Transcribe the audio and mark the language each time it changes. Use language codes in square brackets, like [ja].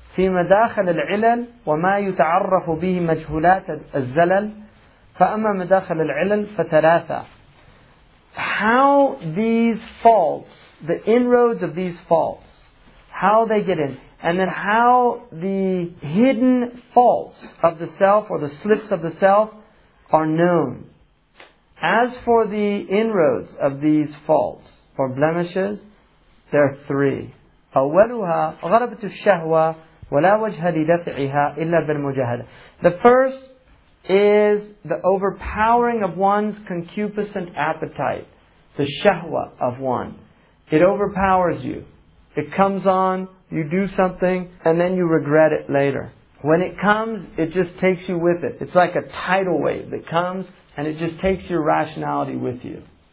[ar] في مداخل العلل وما يتعرف به مجهولات الزلل. فأما مداخل العلل فثلاثة. [en] How these faults, the inroads of these faults, how they get in, and then how the hidden faults of the self or the slips of the self are known. As for the inroads of these faults or blemishes, there are three. [ar] أولها غلبة الشهوة ولا وجه لدفعها إلا بالمجاهدة. [en] The first is the overpowering of one's concupiscent appetite, the shahwa of one. It overpowers you. It comes on, you do something, and then you regret it later. When it comes, it just takes you with it. It's like a tidal wave that comes, and it just takes your rationality with you.